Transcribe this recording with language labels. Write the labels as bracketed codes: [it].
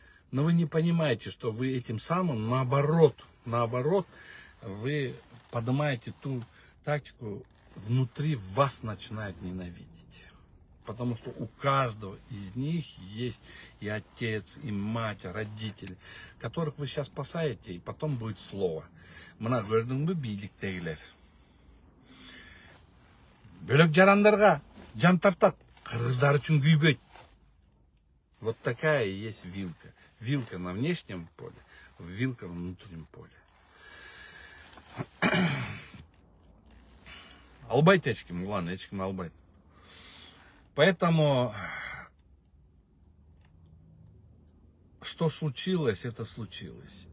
[ru] Но вы не понимаете, что вы этим самым, наоборот, вы поднимаете ту тактику, внутри вас начинают ненавидеть. Потому что у каждого из них есть и отец, и мать, родители, которых вы сейчас спасаете, и потом будет слово. [ky] Мына көрдүңбү бийлик тегилер. Бөлөк жарандарга жан тартат, кыргыздар үчүн күйбөйт. [ru] Вот такая и есть вилка. Вилка на внешнем поле, вилка на внутреннем поле. [ky] Албайт, эчким, улан, эчким, албайт. [ru] Поэтому, что случилось, это случилось.